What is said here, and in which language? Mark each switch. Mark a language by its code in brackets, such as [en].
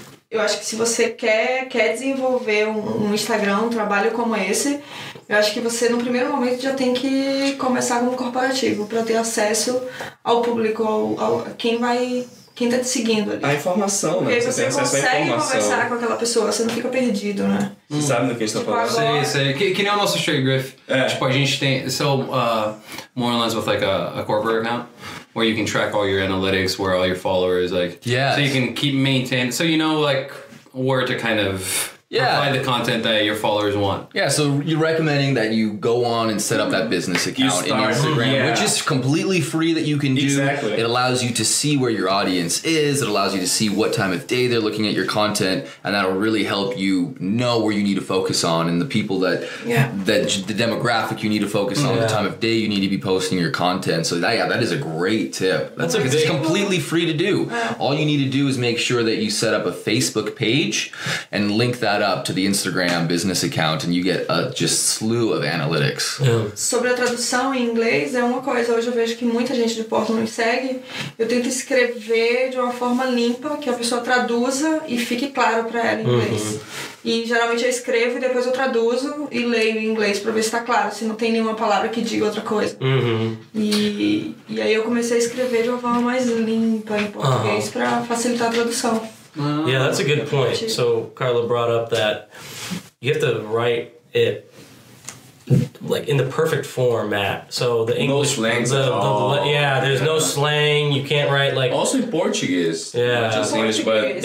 [pt] Eu acho que se você quer desenvolver um Instagram, um trabalho como esse, eu acho que você, no primeiro momento, já tem que começar com o corporativo para ter acesso ao público, quem tá te seguindo ali. A informação, porque né? Você tem acesso à informação. Porque você consegue conversar com aquela pessoa, você não fica perdido, né? Você sabe do que a gente tá falando. Agora, sim. Que nem o nosso Shea Griff. É. Tipo, a gente tem... [en] So, more or less with, like, a corporate account. Where you can track all your analytics, where all your followers, like... Yeah. So you can keep maintaining... So you know, like, where to kind of... Yeah. Provide the content that your followers want. Yeah, so you're recommending that you go on and set up that business account in Instagram, yeah. Which is completely free that you can do. Exactly. It allows you to see where your audience is. It allows you to see what time of day they're looking at your content. And that'll really help you know where you need to focus on and the people that, yeah. that the demographic you need to focus on, yeah. the time of day you need to be posting your content. So, that is a great tip. That's because it's completely free to do. All you need to do is make sure that you set up a Facebook page and link that up to the Instagram business account and you get a just slew of analytics. Yeah. [pt] Sobre a tradução em inglês é uma coisa, hoje eu vejo que muita gente de Portland me segue, eu tento escrever de uma forma limpa, que a pessoa traduza e fique claro para ela em inglês. Uh-huh. E geralmente eu escrevo e depois eu traduzo e leio em inglês para ver se está claro, se não tem nenhuma palavra que diga outra coisa. Uh-huh. E aí eu comecei a escrever de uma forma mais limpa em português uh-huh. para facilitar a tradução. [en] Yeah, that's a good point. So Carla brought up that you have to write it like in the perfect format. So the English, no slang at all. Yeah, there's yeah. no slang. You can't write like also in Portuguese. Yeah, not just Portuguese. English, but